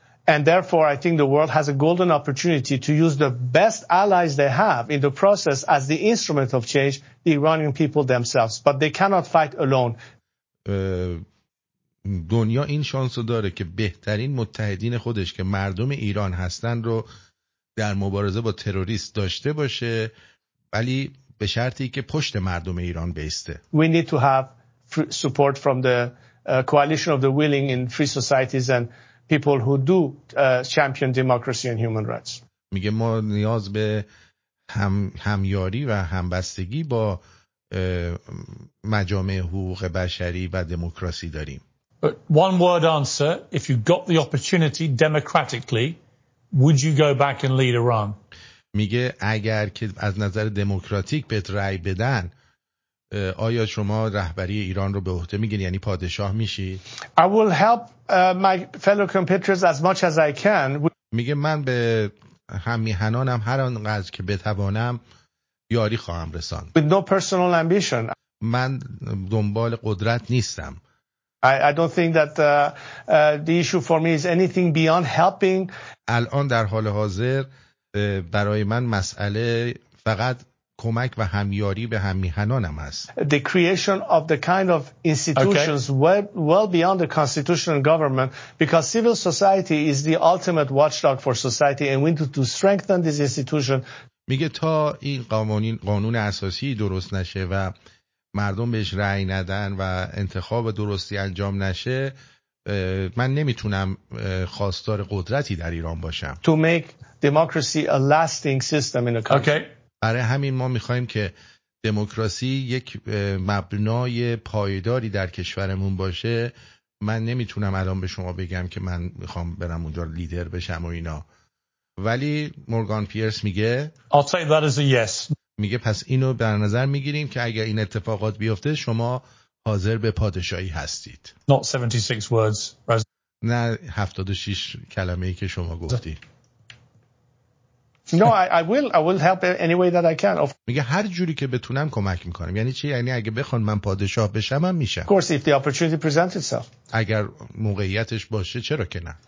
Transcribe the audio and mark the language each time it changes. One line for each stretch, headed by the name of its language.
English: And therefore I think the world has a golden opportunity to use the best allies they have in the process as the instrument of change, the Iranian people themselves. But they cannot fight alone.
Persian: دنیا این شانس رو داره که بهترین متحدین خودش که مردم ایران هستن رو در مبارزه با تروریست داشته باشه، ولی به شرطی که پشت مردم ایران بیسته.
English: We need to have support from the coalition of the willing in free societies and people who do champion democracy and human rights.
Persian: میگه ما نیاز به همیاری و همبستگی با مجامع حقوق بشری و دموکراسی داریم.
English: But one word answer, if you got the opportunity democratically, would you go back and lead Iran?
Persian: میگه اگر که از نظر دموکراتیک بهت رأی بدن، آیا شما رهبری ایران رو به عهده میگیرید، یعنی پادشاه میشی؟
English: I will help my fellow compatriots as much as I can.
Persian: میگه من به هممیهنانم هر آنقدر که بتوانم یاری خواهم رساند.
English: With no personal ambition.
Persian: من دنبال قدرت نیستم.
English: I don't think that the issue for me is anything beyond helping.
Persian: الان در حال حاضر برای من مسئله فقط کمک و همیاری به هممیهنانم است.
English: The creation of the kind of institutions well beyond the constitutional government, because civil society is the ultimate watchdog for society and we need to strengthen this institution.
Persian: میگه تا این قانون اساسی درست نشه و مردم بهش رأی ندن و انتخاب درستی انجام نشه، من نمیتونم خواستار قدرتی در ایران باشم.
English: To make democracy a lasting system in a country. Okay.
Persian: برای همین ما میخوایم که دموکراسی یک مبنای پایداری در کشورمون باشه. من نمیتونم الان به شما بگم که من میخوام برم اونجا لیدر بشم و اینا، ولی مورگان پیرس میگه
English: I'll say that as a yes.
Persian: میگه پس اینو در نظر میگیریم که اگر این اتفاقات بیفته شما حاضر به پادشاهی هستید.
English: Not 76 words.
Persian: نه 76 کلمه‌ای که شما گفتی.
English: No, I will help any way that I can.
Persian: میگه هر جوری که بتونم کمک میکنم. یعنی چی؟ یعنی اگه بخون من پادشاه بشم من میشم.
English: Of course, if the opportunity presents itself.
Persian: اگر موقعیتش باشه چرا که نه.